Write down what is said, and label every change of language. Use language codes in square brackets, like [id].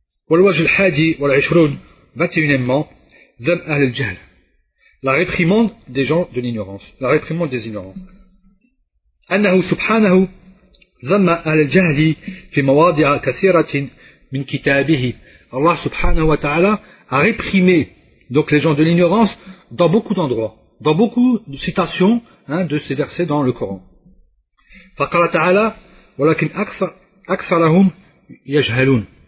[ar] والوجه الحادي والعشرون 21ement ذم أهل الجهل. [fr] La réprimande des gens de l'ignorance. La réprimande des ignorants. [ar] أنه سبحانه ذم أهل الجهل في مواضع كثيرة من كتابه. [fr] Allah سبحانه وتعالى a réprimé donc les gens de l'ignorance dans beaucoup d'endroits, dans beaucoup de citations de ces versets dans le Coran. [ar] فقال تعالى ولكن أكثرهم يجهلون.